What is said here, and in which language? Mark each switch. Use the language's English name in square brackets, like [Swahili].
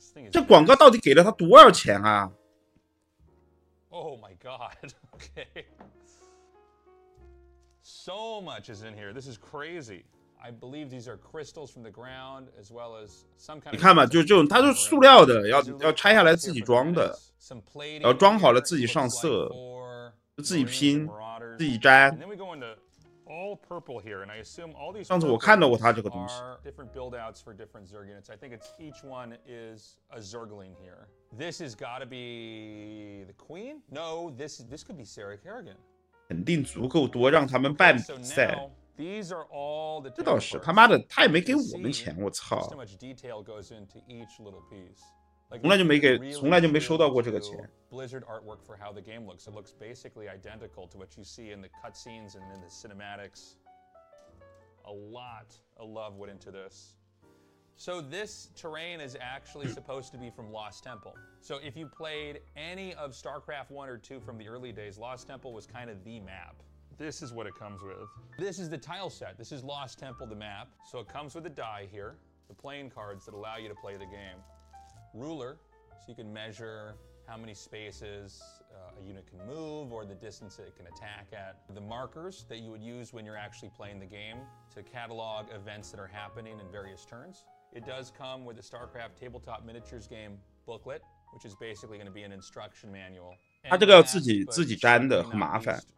[Chinese] 这广告到底给了他多少钱啊 [English] ？Oh my god! Okay, so much is in here. This is crazy. I believe these are crystals from the ground, as well as some kind of. [Chinese] 你看嘛，就这种，它是塑料的，要拆下来自己装的，然后装好了自己上色，自己拼，自己粘。 [English] All purple here, and I assume all these. [Chinese] 上次我看到过他这个东西。 [English] Different buildouts for different Zerg units. I think it's each one is a Zergling here. This has got to be the Queen. No, this could be Sarah Kerrigan. [Chinese] 肯定足够多让他们办比赛。 [English] These are all the. [Chinese] 这倒是他妈的，他也没给我们钱，我操！ [English] So much detail goes into each little piece. [Chinese] 从来就没收到过这个钱。 [English] Blizzard artwork for how the game looks. It looks basically identical to what you see in the cutscenes and in the cinematics. A lot of love went into this. So this terrain is actually supposed to be from Lost Temple. So if you played any of StarCraft 1 or 2 from the early days, Lost Temple was kind of the map. This is what it comes with. This is the tile set. This is Lost Temple, the map. So it comes with a die here, the playing cards that allow you to play the game. Ruler, so you can measure. How many spaces a unit can move, or the distance it can attack at. The markers that you would use when you're actually playing the game to catalog events that are happening in various turns. It does come with the StarCraft tabletop miniatures game booklet, which is basically going to be an instruction manual. [Chinese] 他这个要自己粘的，很麻烦。